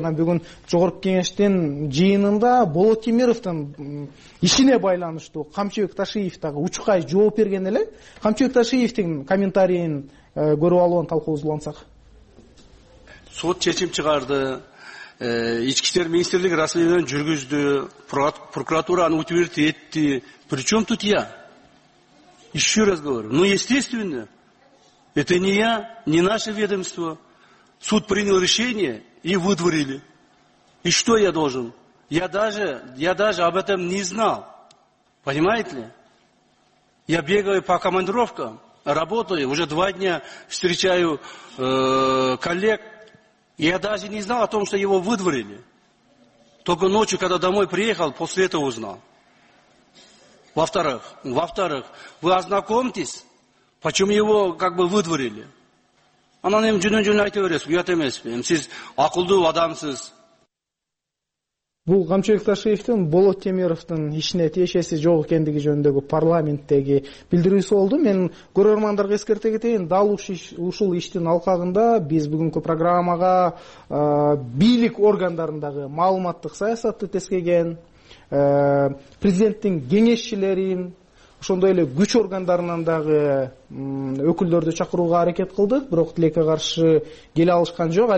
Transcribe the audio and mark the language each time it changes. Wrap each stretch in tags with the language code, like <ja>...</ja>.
<ky>Анан бүгүн жогорку кеңештин жыйынында Болот Темировдун ишине байланыштуу Камчыбек Ташиев дагы учкай жооп берген эле. Камчыбек Ташиевдин комментарийин көрүп алып талкуулансак. Сот чечим чыгарды. Ички иштер министрлиги расмийлөөнү жүргүздү, прокуратураны утвердить этти.</ky> <ru>При чем тут я? Еще раз говорю. Ну, естественно, это не я, не наше ведомство. Суд принял решение и выдворили. И что я должен? Я даже об этом не знал. Понимаете ли? Я бегаю по командировкам, работаю, уже 2 дня встречаю коллег. Я даже не знал о том, что его выдворили. Только ночью, когда домой приехал, после этого узнал. Во-вторых, вы ознакомьтесь, почему его как бы выдворили.</ru> <ky>Она нам жүнүн-жүнүн айтып бересиз, уят эмес. Сиз акылдуу адамсыз. Бул Камчыбек Ташиевдин Болот Темировдун ишине тиешеси жок экендиги жөнүндөгү парламенттеги билдирүүсү болду. Мен көрөрмандарга эскерте кетейин, дал ушул иштин алкагында биз бүгүнкү программага бийлик органдарындагы маалыматтык саясатты тескеген, президенттин кеңешчилерин, ошондой эле күч органдарынан дагы өкүлдөрдү чакырууга аракет кылдык, бирок тилекке каршы келе алышкан жок.</ky>